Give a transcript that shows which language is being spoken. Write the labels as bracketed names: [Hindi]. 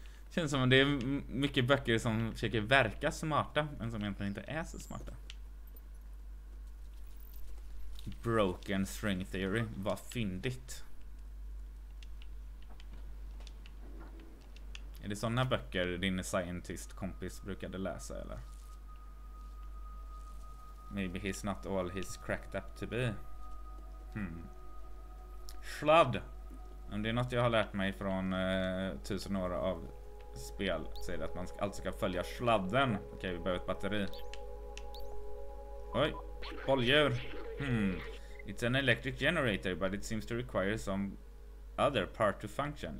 [Swedish] Känns som att det är mycket böcker som försöker verka smarta, men som egentligen inte är så smarta. [English] Broken string theory. [Swedish] Vad fyndigt. Är det sådana böcker din scientist-kompis brukade läsa, eller? [English] Maybe he's not all he's cracked up to be. [Swedish] Sladd! Om det är något jag har lärt mig från 1000 år av spel, säger det att man alltid ska följa sladden. Okej, vi behöver ett batteri. Oj, bolldjur! [English] It's an electric generator, but it seems to require some other part to function.